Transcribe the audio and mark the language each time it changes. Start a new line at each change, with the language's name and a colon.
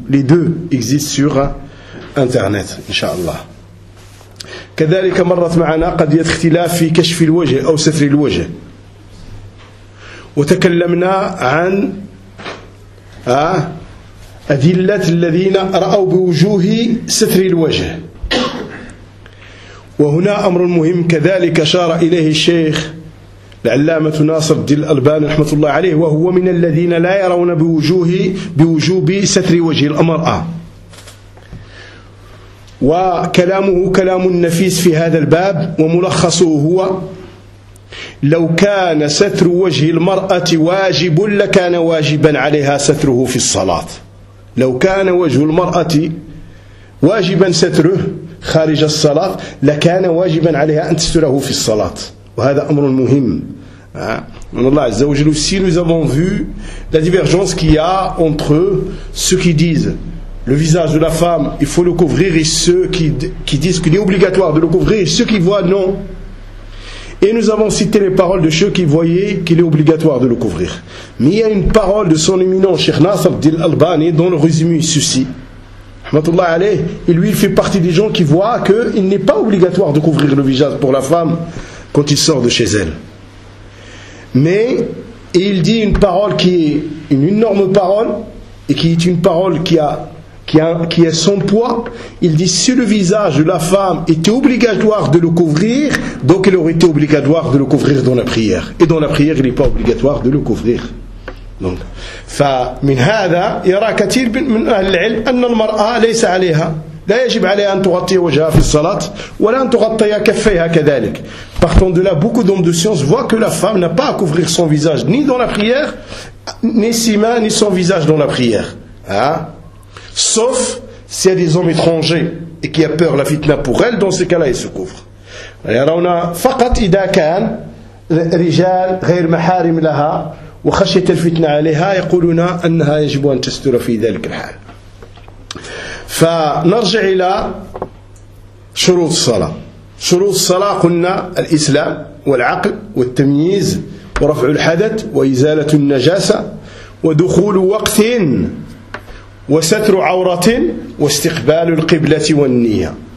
French: Les deux existent sur internet inshallah.
Arabic: كذلك مرت معنا قد اختلاف في كشف الوجه او ستر الوجه، وتكلمنا عن أدلة الذين رأوا بوجوه ستر الوجه. وهنا أمر مهم كذلك أشار إليه الشيخ العلامة ناصر الدين الألباني رحمة الله عليه، وهو من الذين لا يرون بوجوب ستر وجه المرأة، وكلامه كلام نفيس في هذا الباب، وملخصه هو: لو كان ستر وجه المرأة واجب لكان واجبا عليها ستره في الصلاة. لو كان وجه المرأة واجبا ستره خارج الصلاة لكان واجبا عليها أن تستره في الصلاة، وهذا أمر مهم. من الله عز وجل.
French: Aussi nous avons vu la divergence qu'il y a entre ceux qui disent le visage de la femme il faut le couvrir et ceux qui disent qu'il est obligatoire de le couvrir, et ceux qui voient non. Et nous avons cité les paroles de ceux qui voyaient qu'il est obligatoire de le couvrir. Mais il y a une parole de son éminent Cheikh Nasser Dil Albani dont le résumé est ceci.
Arabic: Rahmatullah alayh,
French: et lui il fait partie des gens qui voient qu'il n'est pas obligatoire de couvrir le visage pour la femme quand il sort de chez elle. Mais il dit une parole qui est une énorme parole, et qui est une parole qui a son poids. Il dit: si le visage de la femme était obligatoire de le couvrir, donc il aurait été obligatoire de le couvrir dans la prière. Et dans la prière, il n'est pas obligatoire de le couvrir.
Arabic: Donc, فمن هذا يرى كثير من أهل العلم أن المرأة ليس عليها لا يجب عليها أن تغطي وجهها في الصلاة ولا أن تغطي كفيها كذلك.
French: Partant de là, beaucoup d'hommes de science voient que la femme n'a pas à couvrir son visage ni dans la prière, ni ses mains, ni son visage dans la prière. Sauf Si elle a des hommes étrangers et qui a peur la fitna pour elle, dans ces cas-là, elle se couvre. Et alors on a
Arabic: فقط إذا كان رجال غير محارم لها وخشيت الفتنة عليها يقولون أنها يجب أن تستر في ذلك الحال. فنرجع إلى شروط الصلاة. شروط الصلاة قلنا الإسلام والعقل والتمييز ورفع الحدث وإزالة النجاسة ودخول وقت وستر عورة واستقبال القبلة والنية.